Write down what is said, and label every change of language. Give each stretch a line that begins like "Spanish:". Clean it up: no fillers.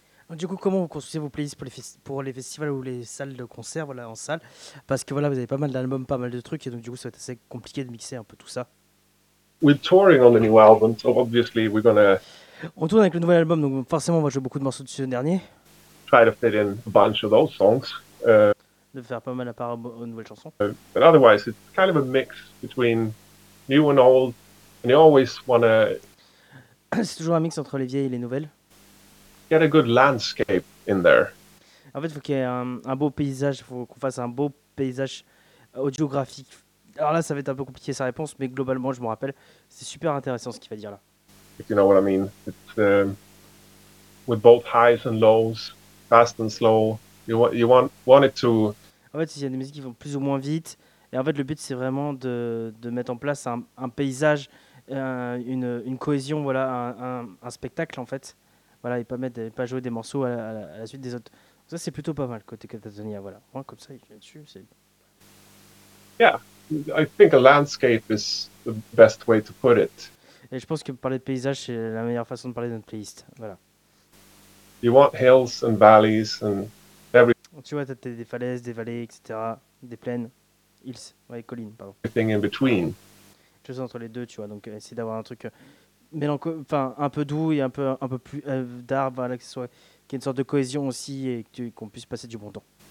French: Du coup, comment vous construisez vos playlists pour les festivals ou les salles de concert, voilà, en salle? Parce que voilà, vous avez pas mal d'albums, pas mal de trucs, et donc du coup, ça va être assez compliqué de mixer un peu tout ça.
English: We're touring on the new album, so obviously we're gonna.
French: On tourne avec le nouvel album, donc forcément on va jouer beaucoup de morceaux de ce dernier.
English: Try to fit in a bunch of those songs.
French: De faire pas mal à part aux nouvelles chansons.
English: But otherwise, it's kind of a mix between new and old, and you always wanna.
French: C'est toujours un mix entre les vieilles et les nouvelles.
English: Get a good landscape in there.
French: En fait, faut qu'il y ait un beau paysage, faut qu'on fasse un beau paysage audiographique. Alors là, ça va être un peu compliqué sa réponse, mais globalement, je me rappelle, c'est super intéressant ce qu'il va dire là.
English: If you know what I mean, it's with both highs and lows, fast and slow. You want it to.
French: En fait, il y a des musiques qui vont plus ou moins vite, et en fait, le but c'est vraiment de mettre en place un paysage, une cohésion, voilà, un spectacle en fait. Voilà, et pas jouer des morceaux à la suite des autres. Ça, c'est plutôt pas mal côté Catatonia, voilà. Moi, comme ça, il vient dessus, c'est.
English: Yeah. I think a landscape is the best way to put it.
French: Et je pense que parler de paysage, c'est la meilleure façon de parler de notre playlist. Voilà.
English: You want hills and valleys and every.
French: Tu vois, t'as des falaises, des vallées, etc. Des plaines, hills, ouais, collines, pardon.
English: Everything in between.
French: Chose entre les deux, tu vois. Donc, essayer d'avoir un truc un peu doux et un peu plus d'arbre, voilà, qu'il y ait une sorte de cohésion aussi et qu'on puisse passer du bon temps.